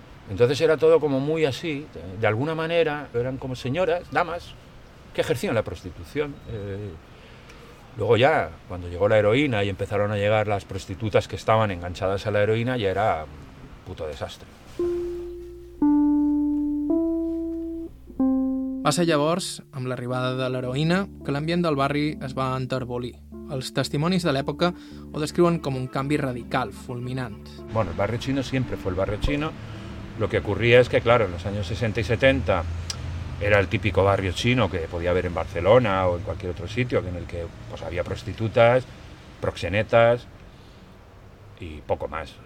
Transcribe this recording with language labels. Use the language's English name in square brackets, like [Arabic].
[Spanish] Entonces era todo como muy así. De alguna manera eran como señoras, damas, que ejercían la prostitución. Luego ya, cuando llegó la heroína y empezaron a llegar las prostitutas que estaban enganchadas a la heroína, ya era un puto desastre. [Catalan] Va ser llavors, amb l'arribada de l'heroïna, que l'ambient del barri es va enterbolir. Els testimonis de l'època ho descriuen com un canvi radical, fulminant. [Spanish] Bueno, el barrio chino siempre fue el barrio chino. Lo que ocurría es que, claro, en los años 60 y 70 era el típico barrio chino que podía haber en Barcelona o en cualquier otro sitio, en el que pues, había prostitutas, proxenetas y poco más.